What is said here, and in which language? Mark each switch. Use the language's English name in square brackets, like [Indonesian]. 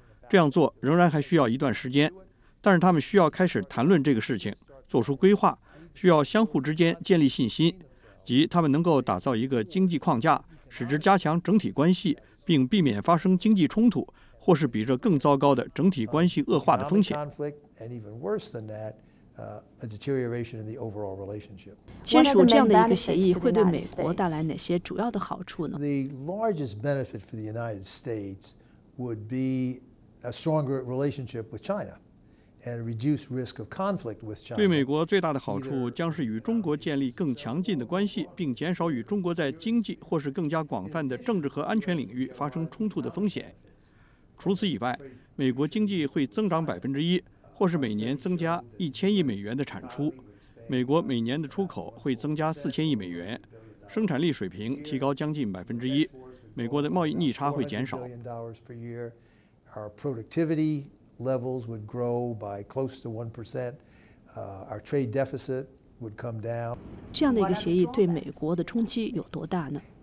[Chinese] 这样做仍然还需要一段时间，但是他们需要开始谈论这个事情，做出规划，需要相互之间建立信心，即他们能够打造一个经济框架，使之加强整体关系，并避免发生经济冲突或是比这更糟糕的整体关系恶化的风险。签署这样的一个协议会对美国带来哪些主要的好处呢？ [English] The largest benefit for the United States would be a stronger relationship with China and reduce risk of conflict with China. [Chinese] 对美国最大的好处将是与中国建立更强劲的关系，并减少与中国在经济或是更加广泛的政治和安全领域发生冲突的风险。除此以外，美国经济会增长1%。或是每年增加1000亿美元的产出，美国每年的出口会增加4000亿美元，生产力水平提高将近1%，美国的贸易逆差会减少。 [English] Our productivity levels would grow by close to 1%. Our trade deficit would come down. [Chinese] 这样的一个协议对美国的冲击有多大呢？